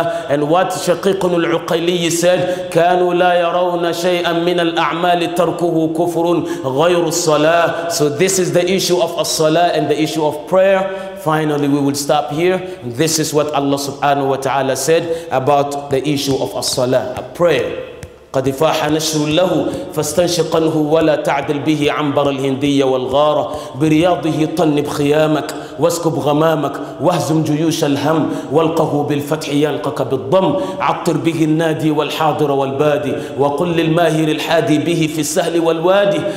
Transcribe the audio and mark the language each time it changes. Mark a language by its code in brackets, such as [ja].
[en] And what Shaqiq al-Uqayli said, [ar] كانوا لا يرون شيئا من الأعمال تركه كفر غير الصلاة. [en] So this is the issue of as-salah and the issue of prayer. Finally, we will stop here. This is what Allah subhanahu wa ta'ala said about the issue of as-salah, a prayer. [ar] قد فاح نشر له فاستنشقنه ولا تعدل به عنبر الهندية والغارة برياضه طنب خيامك واسكب غمامك واهزم جيوش الهم والقه بالفتح يلقك بالضم عطر به النادي والحاضر والبادي وقل للماهر الحادي به في السهل والوادي